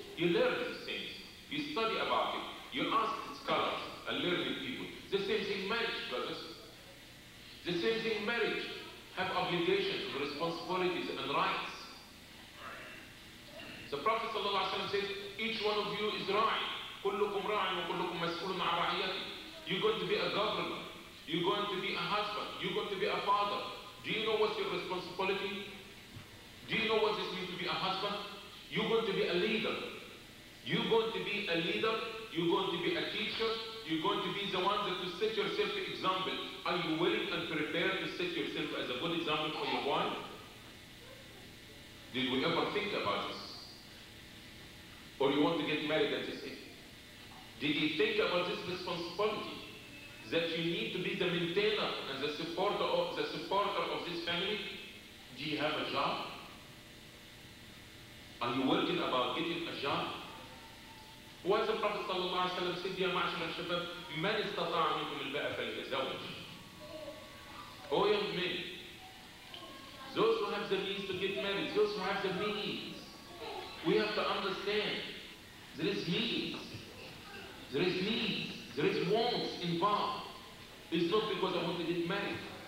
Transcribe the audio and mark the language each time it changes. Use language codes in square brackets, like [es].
[en] You learn these things, you study about it, you ask the scholars and learning people. The same thing marriage, brothers. The same thing marriage. Have obligations, responsibilities, and rights. The Prophet ﷺ says, each one of you is ra'i. [ar] كلكم راعي وكلكم مسؤول عن رعيته. [en] You're going to be a governor. You're going to be a husband. You're going to be a father. Do you know what's your responsibility? Do you know what this means to be a husband? You're going to be a leader. You're going to be a leader. You're going to be a teacher. You're going to be the one that will set yourself an example. Are you willing and prepared to set yourself as a good example for your wife? Did we ever think about this? Or you want to get married at this age? Did you think about this responsibility? That you need to be the maintainer and the supporter of this family? Do you have a job? Are you working about getting a job? Why the Prophet ﷺ said, [ar] يا معشر الشباب, من استطاع منكم الباء فليتزوج. [en] Oh young men, those who have the means to get married, those who have the means, we have to understand, there is means. There is needs, there is wants involved. It's not because I want to get married.